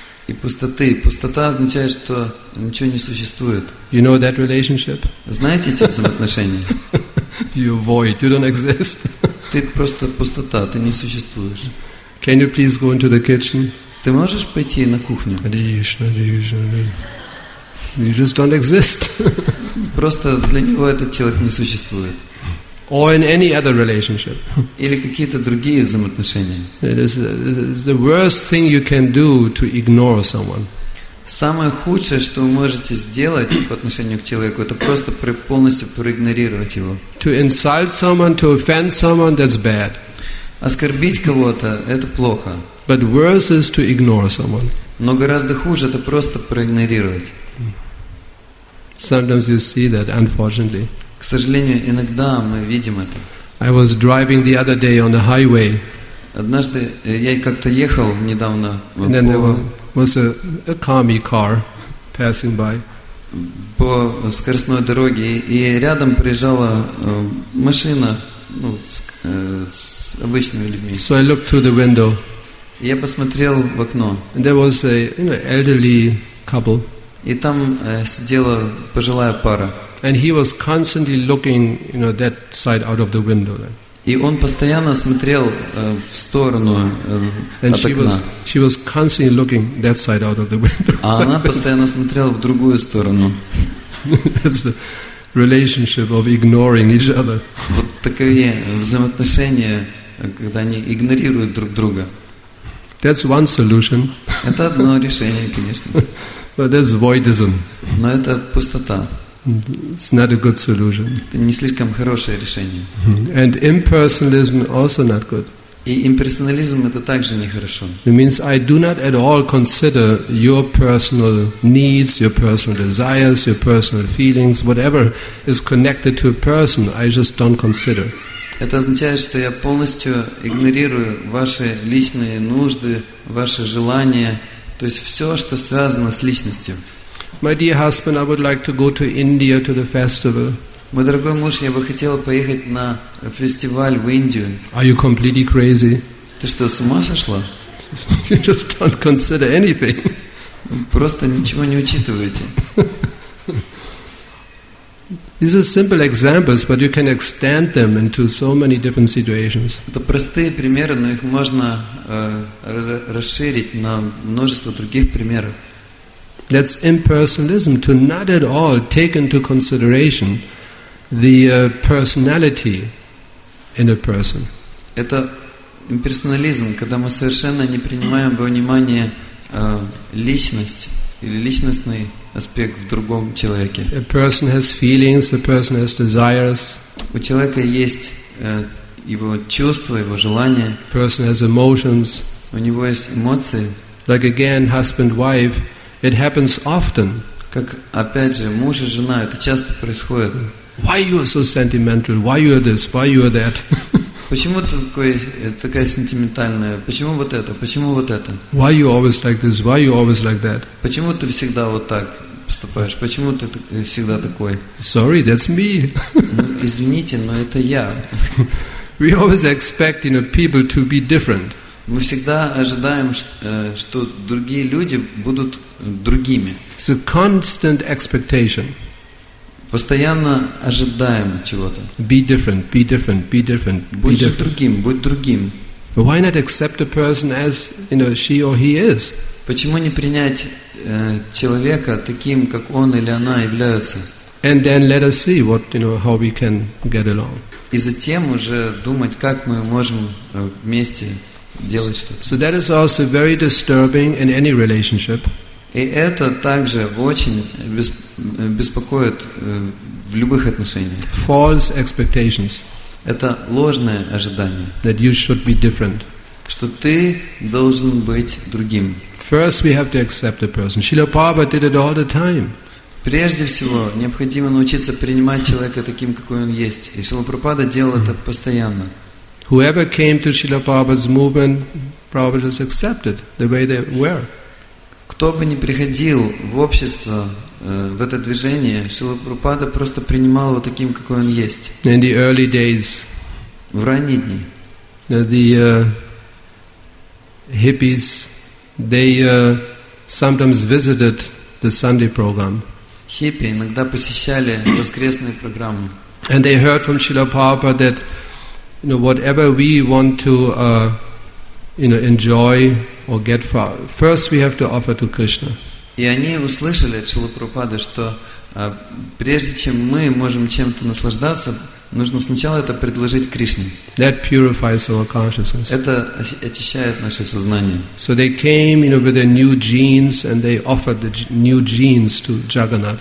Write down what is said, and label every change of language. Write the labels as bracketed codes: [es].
[ru] И пустоты. Пустота означает, что ничего не существует. [en] You know that relationship? [ru] Знаете эти взаимоотношения? [en] You void. You don't exist. [ru] Ты просто пустота. Ты не существуешь. [en] Can you please go into the kitchen? [ru] Ты можешь пойти на кухню? [en] Кришна, Кришна, Кришна. You just don't exist. [ru] Просто для него этот человек не существует. [en] Or in any other relationship. [ru] Или какие-то другие взаимоотношения. [en] It is the worst thing you can do to ignore someone. [ru] Самое худшее, что вы можете сделать по отношению к человеку, это просто полностью проигнорировать его. [en] To insult someone, to offend someone, that's bad. [ru] Оскорбить кого-то – это плохо. [en] But worse is to ignore someone. [ru] Но гораздо хуже – это просто проигнорировать. [en] Sometimes you see that, unfortunately. [ru] К сожалению, иногда мы видим это. [en] I was driving the other day on the highway. [ru] Однажды я как-то ехал недавно. [en] And then there was a commie car passing by. [ru] По скоростной дороге, и рядом приезжала машина, ну, с обычными людьми. [en] So I looked through the window. [ru] Я посмотрел в окно. [en] And there was elderly couple. [ru] И там сидела пожилая пара. [en] And he was constantly looking, you know, that side out of the window. [ru] И он постоянно смотрел в сторону от окна. [en] And she was constantly looking that side out of the window. [ru] А она постоянно смотрела в другую сторону. [en] That's the relationship of ignoring each other. [ru] Вот такие взаимоотношения, когда они игнорируют друг друга. [en] That's one solution. [ru] Это одно решение, конечно. [en] But that's voidism. [ru] Но это пустота. [en] It's not a good solution. [ru] Это не слишком хорошее решение. [en] And impersonalism also not good. [ru] И имперсонализм это также нехорошо. [en] It means I do not at all consider your personal needs, your personal desires, your personal feelings, whatever is connected to a person, I just don't consider. [ru] Это означает, что я полностью игнорирую ваши личные нужды, ваши желания, то есть все, что связано с личностью. [en] My dear husband, I would like to go to India to the festival. [ru] Мой дорогой муж, я бы хотел поехать на фестиваль в Индию. [en] Are you completely crazy? [ru] Ты что, с ума сошла? [en] You just don't consider anything. [ru] Просто ничего не учитываете. [en] These are simple examples, but you can extend them into so many different situations. [ru] Это простые примеры, но их можно расширить на множество других примеров. [en] That's impersonalism, to not at all take into consideration the personality in a person. [ru] Это имперсонализм, когда мы совершенно не принимаем во внимание личность или личностный аспект в другом человеке. [en] A person has feelings, a person has desires. [ru] У человека есть его чувства, его желания. [en] A person has emotions. [ru] У него есть эмоции. [en] Like again, husband-wife. It happens often. [ru] Как опять же, муж и жена, это часто происходит. [en] Why you are so sentimental? Why you are this? Why you are that? [ru] Почему ты такая сентиментальная? Почему вот это? Почему вот это? [en] Why you always like this? Why you always like that? [ru] Почему ты всегда вот так поступаешь? Почему ты всегда такой? [en] Sorry, that's me. [ru] Извините, но это я. [en] We always expect, you know, people to be different. [ru] Мы всегда ожидаем, что другие люди будут другими. [en] It's a constant expectation. [ru] Постоянно ожидаем чего-то. [en] Be different, be different, be different. [ru] Будь другим, будь другим. [en] Why not accept a person as, you know, she or he is? [ru] Почему не принять человека таким, как он или она является? [en] And then let us see what, you know, how we can get along. [ru] И затем уже думать, как мы можем вместе делать что-то. [en] So that is also very disturbing in any relationship. [ru] И это также очень беспокоит в любых отношениях. [en] False expectations. [ru] Это ложное ожидание. [en] That you should be different. [ru] Что ты должен быть другим. [en] First we have to accept a person. Шрила Прабхупада did it all the time. [ru] Прежде всего, необходимо научиться принимать человека таким, какой он есть. И Шрила Прабхупада делал это постоянно. [en] Whoever came to Шрила Прабхупада's movement, Прабхупада just accepted the way they were. [ru] Кто бы ни приходил в общество, в это движение, Шрила Прабхупада просто принимал его таким, какой он есть. [en] In the early days, [ru] в ранние дни, [en] the hippies, they sometimes visited the Sunday program. [ru] Хиппи иногда посещали воскресные программы. [en] And they heard from Шрила Прабхупада that, you know, whatever we want to enjoy or get, first we have to offer to Krishna. [ru] И они услышали от Шрилы Прабхупады, что прежде чем мы можем чем-то наслаждаться, нужно сначала это предложить Кришне. [en] That purifies our consciousness. [ru] Это очищает наше сознание. [en] So they came, you know, with their new jeans and they offered the new jeans to Jagannath.